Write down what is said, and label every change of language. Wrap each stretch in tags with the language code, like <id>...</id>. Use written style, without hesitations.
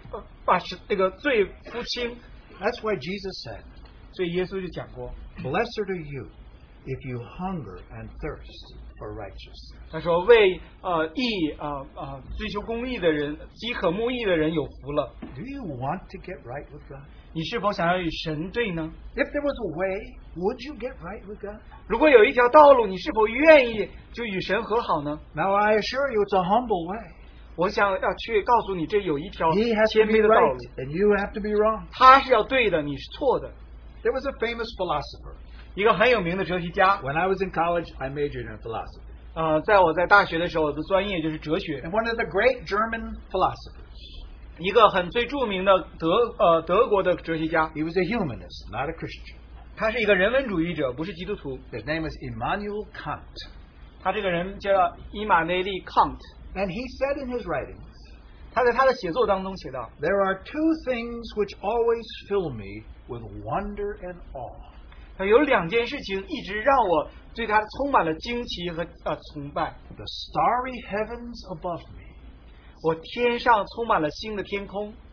<zh>各式各样的宗教都好像在那里把那个罪扶清。</zh> <en>That's why Jesus said,</en> <zh>所以耶稣就讲过,</zh> <en>blessed are you if you hunger and thirst for righteousness.</en> <zh>他说为义追求公义的人饥渴慕义的人有福了。</zh> <en>Do you want to get right with God?</en> <zh>你是否想要与神对呢?</zh> <en>If there was a way, would you get right with God?</en> <zh>如果有一条道路, 你是否愿意就与神和好呢?</zh> <en>Now I assure you, it's a humble way.</en> <zh>我想要去告诉你,</zh> <en>he has to be right, and you have to be wrong.</en> <zh>他是要对的,</zh> <en>there was a famous philosopher.</en> <zh>一个很有名的哲学家,</zh> <en>when I was in college, I majored in philosophy.</en> <zh>在我在大学的时候,我的专业就是哲学。</zh> <en>And one of the great German philosophers.</en> <zh>一个很最著名的德国的哲学家。</zh> <en>He was a humanist, not a Christian.</en> <zh>他是一个人文主义者,不是基督徒。</zh> <en>His name is Immanuel Kant.</en> <zh>他这个人叫伊玛内利·康特。</zh> <en>And he said in his writings,</en> <zh>他在他的写作当中写道,</zh> <en>there are two things which always fill me with wonder and awe.</en> <zh>有两件事情一直让我对他充满了惊奇和崇拜。</zh> <en>The starry heavens above me.</en> <zh>我天上充满了星的天空。</zh>